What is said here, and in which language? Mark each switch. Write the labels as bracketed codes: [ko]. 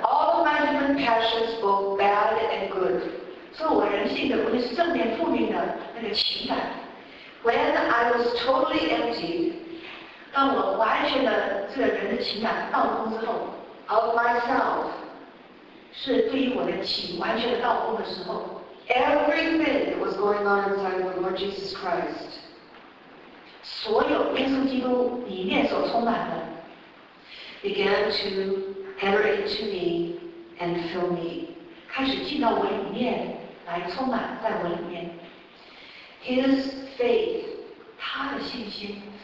[en] All of my human passions, both bad and good, [zh] 是我人性的无论是正面负面的那个情感 [en] When I was totally empty, [zh] 当我完全的这个人的情感倒空之后 [en] ，of myself， [zh] 是对于我的情完全的倒空的时候 [en] ，everything was going on inside the Lord Jesus Christ， [zh] 所有耶稣基督里面所充满的 [en] ，began to enter into me and fill me， [zh] 开始进到我里面来充满在我里面 [en] ，His faith， [zh] 他的信心。